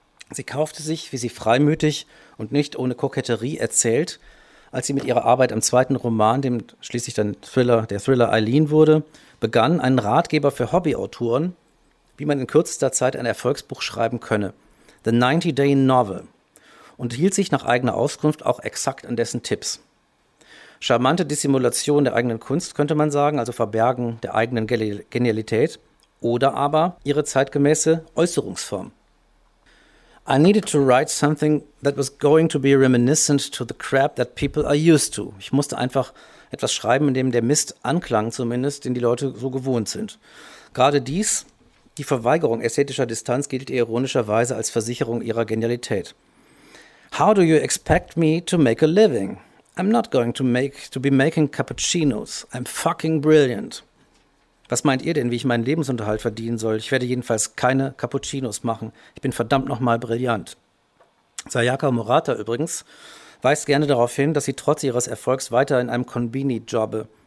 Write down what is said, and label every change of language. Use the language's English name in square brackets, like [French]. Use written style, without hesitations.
[German] Sie kaufte sich, wie sie freimütig und nicht ohne Koketterie erzählt, als sie mit ihrer Arbeit am zweiten Roman, dem schließlich dann Thriller, der Thriller Eileen wurde, begann, einen Ratgeber für Hobbyautoren, wie man in kürzester Zeit ein Erfolgsbuch schreiben könne, The 90-Day Novel, und hielt sich nach eigener Auskunft auch exakt an dessen Tipps. Charmante Dissimulation der eigenen Kunst, könnte man sagen, also Verbergen der eigenen Genialität, oder aber ihre zeitgemäße Äußerungsform. [English] I needed to write something that was going to be reminiscent to the crap that people are used to. [German] Ich musste einfach etwas schreiben, in dem der Mist anklang zumindest, den die Leute so gewohnt sind. Gerade dies, die Verweigerung ästhetischer Distanz, gilt ihr ironischerweise als Versicherung ihrer Genialität. [English] How do you expect me to make a living? I'm not going to be making cappuccinos. I'm fucking brilliant. [German] Was meint ihr denn, wie ich meinen Lebensunterhalt verdienen soll? Ich werde jedenfalls keine Cappuccinos machen. Ich bin verdammt nochmal brillant. Sayaka Murata übrigens weist gerne darauf hin, dass sie trotz ihres Erfolgs weiter in einem Konbini jobbe.